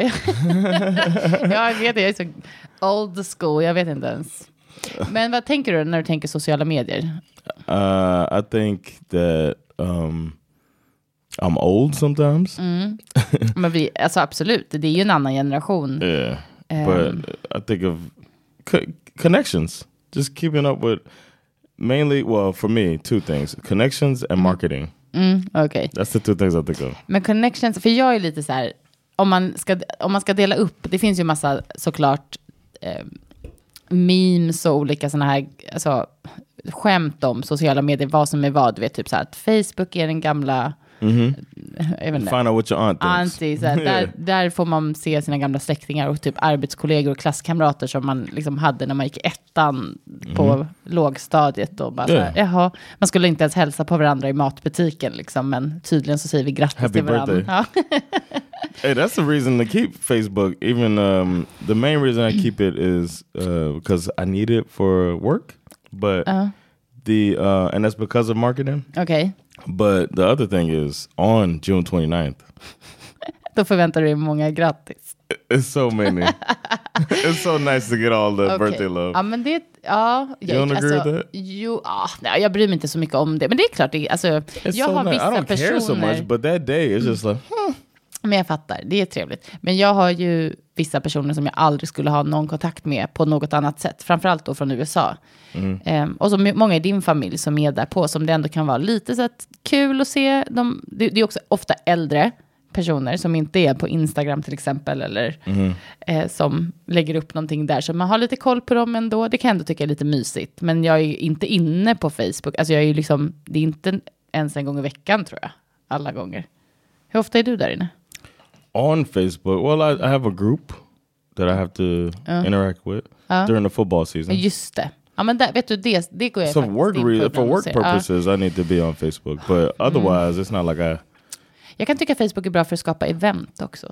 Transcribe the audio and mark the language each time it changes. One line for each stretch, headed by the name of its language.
Swedish: jag vet inte, jag är så old school. Jag vet inte ens. Men vad tänker du när du tänker sociala medier?
English: I think that... I'm old sometimes. Mm.
Swedish: Men vi, alltså absolut, det är ju en annan generation.
English: Yeah, but I think of connections. Just keeping up with, mainly, well, for me, two things. Connections and marketing. Mm, okay. That's the two things I think of.
Swedish: Men connections, för jag är lite så här, om man ska dela upp, det finns ju massa såklart memes och olika såna här, alltså skämt om sociala medier, vad som är vad, du vet, typ så här, att Facebook är den gamla...
English: Mm-hmm. Find out what your aunt thinks. Yeah.
Swedish: Där får man se sina gamla släktingar och typ arbetskollegor och klasskamrater som man liksom hade när man gick ettan på lågstadiet. Och bara såhär, jaha, man skulle inte ens hälsa på varandra i matbutiken liksom, men tydligen så säger vi grattis
English: Happy
Swedish: till varandra. Ja.
English: Hey, that's the reason to keep Facebook. Even the main reason I keep it is because I need it for work. But and that's because of marketing. Okay. But the other thing is, on June 29th.
Swedish: Då förväntar du många grattis.
English: It's so many. It's so nice to get all the birthday love.
Swedish: Ja, men det, ja.
English: You don't agree with that?
Swedish: Jag bryr mig inte så mycket om det. Men det är klart, det, alltså, jag har vissa personer.
English: I don't care so much, but that day is just like,
Swedish: Men jag fattar, det är trevligt. Men jag har ju vissa personer som jag aldrig skulle ha någon kontakt med på något annat sätt. Framförallt då från USA. Mm. Och så många i din familj som är där på, som det ändå kan vara lite så att kul att se. Det är också ofta äldre personer som inte är på Instagram till exempel. Eller som lägger upp någonting där. Så man har lite koll på dem ändå. Det kan jag ändå tycka är lite mysigt. Men jag är ju inte inne på Facebook. Alltså jag är ju liksom, det är inte ens en gång i veckan tror jag. Alla gånger. Hur ofta är du där inne?
English: On Facebook, well, I have a group that I have to interact with during the football season.
Swedish: Just det. Ja, men där, vet du, det går jag
English: so work for work purposes, I need to be on Facebook. But otherwise, it's not like I...
Swedish: Jag kan tycka Facebook är bra för att skapa event också.